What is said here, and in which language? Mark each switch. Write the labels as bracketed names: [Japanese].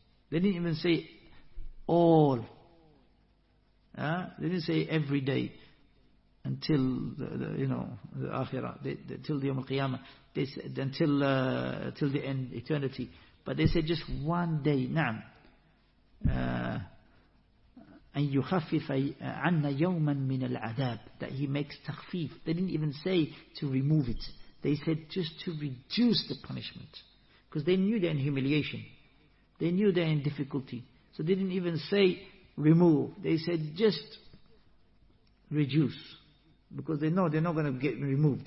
[English] They didn't even say all. They didn't say every day until the Akhirah, till the Yom Qiyamah, till the end, eternity. But they said just 1 day. Na'am. [Arabic] أن يخفف عنا يوما من العذاب, [English] that he makes takhfif. They didn't even say to remove it. They said just to reduce the punishment. Because they knew they're in humiliation. They knew they're in difficulty. So they didn't even say remove. They said, just reduce. Because they know they're not going to get removed.